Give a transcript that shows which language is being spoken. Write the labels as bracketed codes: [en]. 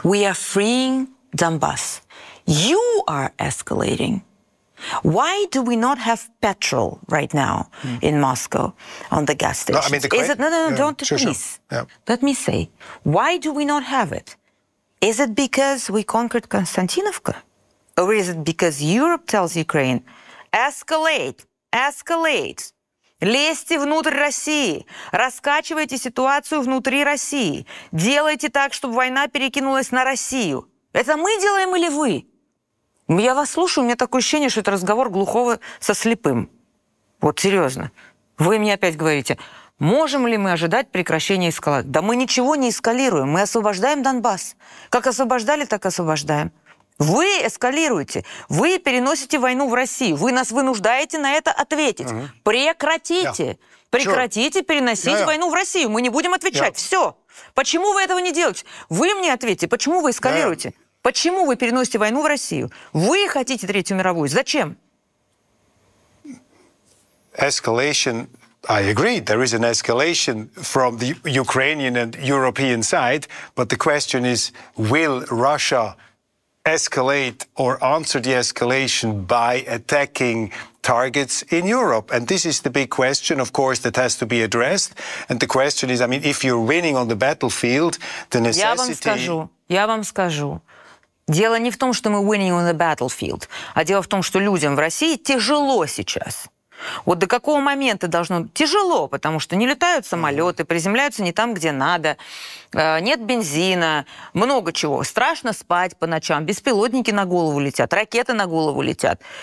[en] We are freeing Donbas. You are escalating. Why do we not have petrol right now in Moscow on the gas stations? Please. Yeah. Let me say, why do we not have it? Is it because we conquered Konstantinovka? Or is it because Europe tells Ukraine, escalate, escalate, [ru] лезьте внутрь России, раскачивайте ситуацию внутри России, делайте так, чтобы война перекинулась на Россию. Это мы делаем или вы? Я вас слушаю, у меня такое ощущение, что это разговор глухого со слепым. Вот серьезно. Вы мне опять говорите, можем ли мы ожидать прекращения эскалации? Да мы ничего не эскалируем, мы освобождаем Донбасс. Как освобождали, так освобождаем. Вы эскалируете, вы переносите войну в Россию, вы нас вынуждаете на это ответить. Mm-hmm. Прекратите, прекратите переносить войну в Россию, мы не будем отвечать, все. Почему вы этого не делаете? Вы мне ответьте, почему вы эскалируете? Почему вы переносите войну в Россию? Вы хотите Третью мировую, зачем? [en] Escalation, I agree, there is an escalation from the Ukrainian and European side, but the question is, will Russia escalate or answer the escalation by attacking targets in Europe? And this is the big question, of course, that has to be addressed. And the question is, I mean, if you're winning on the battlefield, the necessity... [ru] Я вам скажу. Дело не в том, что мы [en] winning on the battlefield, [ru] а дело в том, что людям в России тяжело сейчас. Вот до какого момента должно... Тяжело, потому что не летают самолеты, приземляются не там, где надо, нет бензина, много чего. Страшно спать по ночам, беспилотники на голову летят, ракеты на голову летят.